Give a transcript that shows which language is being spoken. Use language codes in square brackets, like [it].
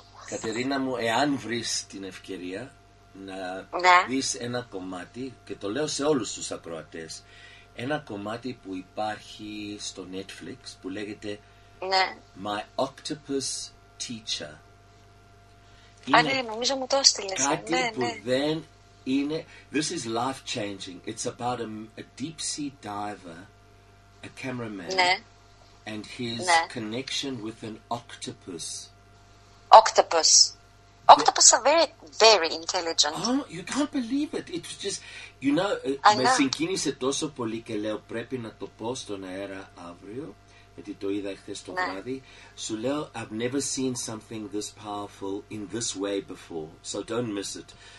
[el] Κατερίνα μου, εάν βρεις την ευκαιρία να δεις ένα κομμάτι, και το λέω σε όλους τους ακροατές, ένα κομμάτι που υπάρχει στο Netflix που λέγεται My Octopus Teacher. Άρα, νομίζω μου το έστειλες. Κάτι που δεν... [en] This is life changing. It's about a deep sea diver, a cameraman, and his connection with an octopus. Octopus. Octopus are very, very intelligent. Oh, you can't believe it. It was just, you know, [el] με συγκίνησε τόσο πολύ και λέω πρέπει να το πω στον αέρα αύριο, γιατί το είδα χθες το βράδυ. Σου λέω, [en] I've never seen something this powerful in this way before, so don't miss it.